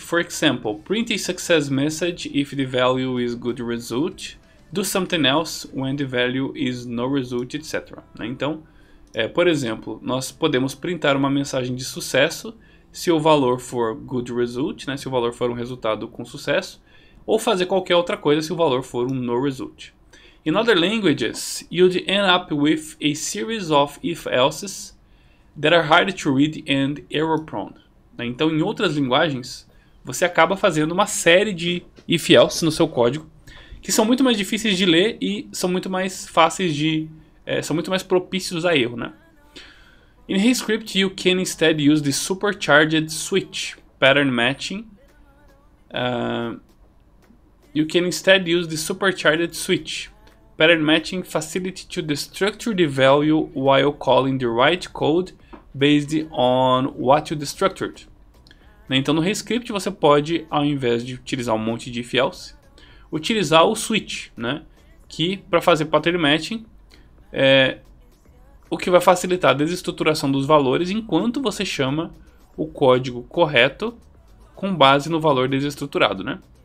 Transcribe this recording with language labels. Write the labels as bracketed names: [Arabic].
[English] For example, print a success message if the value is good result, do something else when the value is no result, etc. Né? [Portuguese] Então, por exemplo, nós podemos printar uma mensagem de sucesso se o valor for good result, né? Se o valor for um resultado com sucesso, ou fazer qualquer outra coisa se o valor for um no result. [English] In other languages, you'd end up with a series of if-elses that are hard to read and error-prone. [Portuguese] Né? Então, em outras linguagens, você acaba fazendo uma série de if-else no seu código que são muito mais difíceis de ler e são muito mais fáceis de... são muito mais propícios a erro, né? [English] In his script, you can instead use the supercharged switch pattern matching. You can instead use the supercharged switch pattern matching facility to destructure the value while calling the right code based on what you destructured. [Portuguese] Né? Então, no rescript, você pode, ao invés de utilizar um monte de if-else, utilizar o switch, né? Que, para fazer pattern matching, o que vai facilitar a desestruturação dos valores enquanto você chama o código correto com base no valor desestruturado, né?